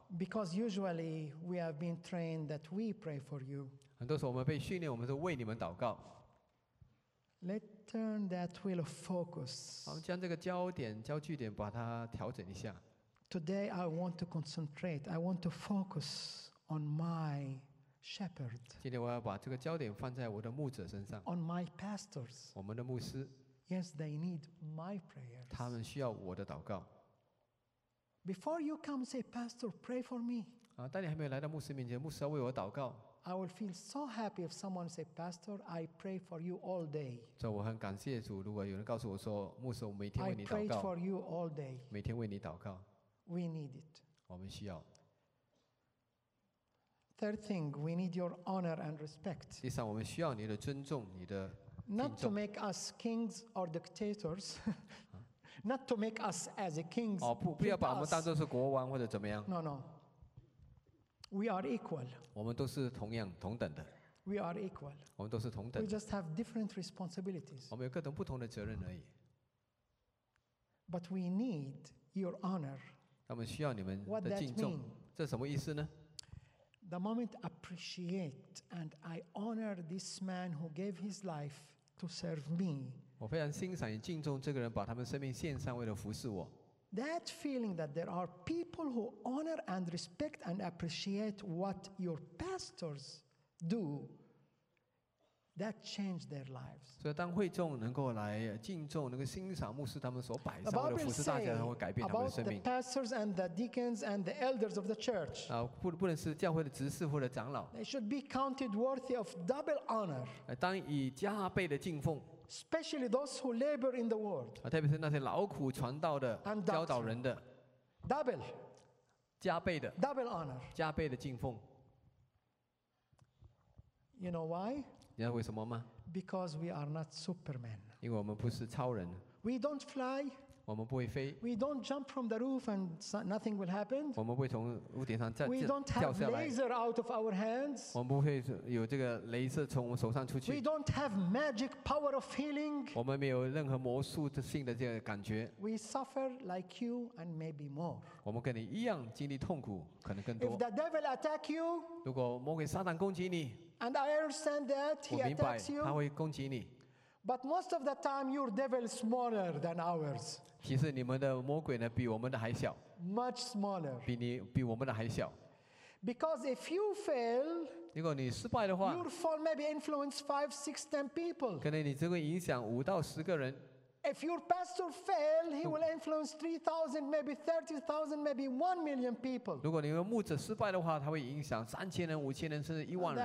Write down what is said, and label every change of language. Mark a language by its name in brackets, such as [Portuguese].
[English] Because usually we have been trained that we pray for you. [Chinese] 很多时候我们被训练，我们是为你们祷告。 [English] Let turn that wheel of focus. [Chinese] 好，将这个焦点、焦聚点把它调整一下。 [English] Today I want to concentrate. I want to focus on my shepherd. [Chinese] 今天我要把这个焦点放在我的牧者身上。 [English] On my pastors. [Chinese] 我们的牧师。 [English] Yes, they need my prayers. [Chinese] 他们需要我的祷告。 [English] Before you come, say, Pastor, pray for me. [Chinese] 当你还没有来到牧师面前，牧师要为我祷告。 [English] I will feel so happy if someone say, Pastor, I pray for you all day. [Chinese] 所以我很感谢主，如果有人告诉我说，牧师，我每天为你祷告。 [English] I prayed for you all day. [Chinese] 每天为你祷告。 [English] We need it. [Chinese] 我们需要。 [English] Third thing, we need your honor and respect. [Chinese] 第三，我们需要你的尊重，你的敬重。 [English] Not to make us kings or dictators. Not to make us as a kings. [Chinese] 不要把我们当作是国王或者怎么样。 [English] No, no. We are equal. [Chinese] 我们都是同样同等的。 [English] We are equal. [Chinese] 我们都是同等的。 [English] We just have different responsibilities. [Chinese] 我们有各种不同的责任而已。 [English] But we need your honor. [Chinese] 我们需要你们的敬重。 [English] What that means? [Chinese] 这什么意思呢 [English] The moment I appreciate and I honor this man who gave his life to serve me. [Chinese] 我非常欣赏也敬重这个人把他们生命献上为了服侍我。 [English] That feeling that there are people who honor and respect and appreciate what your pastors do, that changed their lives. [Chinese] 所以当会众能够来敬重，能够欣赏牧师他们所摆上为了服侍大家，会改变他们的生命。 [English] About the pastors and the deacons and the elders of the church. [Chinese] 啊，不能是教会的执事或者长老。 [English] They should be counted worthy of double honor. [Chinese] 当以加倍的敬奉。 [English] Especially those who labor in the word. [Chinese] 特别是那些劳苦传道的、教导人的。 [English] Double. [Chinese] 加倍的。 [English] Double honor. [Chinese] 加倍的敬奉。 [English] You know why? [Chinese] 你知道为什么吗 [English] ？Because we are not supermen. [Chinese] 因为我们不是超人。 [English] We don't fly. [Chinese] 我们不会飞。 [English] We don't jump from the roof and nothing will happen. [Chinese] 我们不会从屋顶上掉下来。 [English] We don't have laser out of our hands. [Chinese] 我们不会有这个镭射从我们手上出去。 [English] We don't have magic power of healing. [Chinese] 我们没有任何魔术性的这个感觉。 [English] We suffer like you and maybe more. [Chinese] 我们跟你一样经历痛苦，可能更多。 [English] If the devil attack you, [Chinese] 如果魔鬼撒旦攻击你。 [English] And I understand that he attacks you. [Chinese] 他会攻击你。 [English] But most of the time, your devil is smaller than ours. [Chinese] 其实你们的魔鬼呢，比我们的还小。 [English] Much smaller. [Chinese] 比我们的还小。 [English] Because if you fail, [Chinese] 如果你失败的话 [English] ，your fall maybe influence 5, 6, 10 people. [Chinese] 可能你这个影响五到十个人。 [English] If your pastor fail, he will influence 3,000, maybe 30,000, maybe 1,000,000 people. [Chinese] 如果你的牧者失败的话，他会影响三千人、五千人，甚至一万人。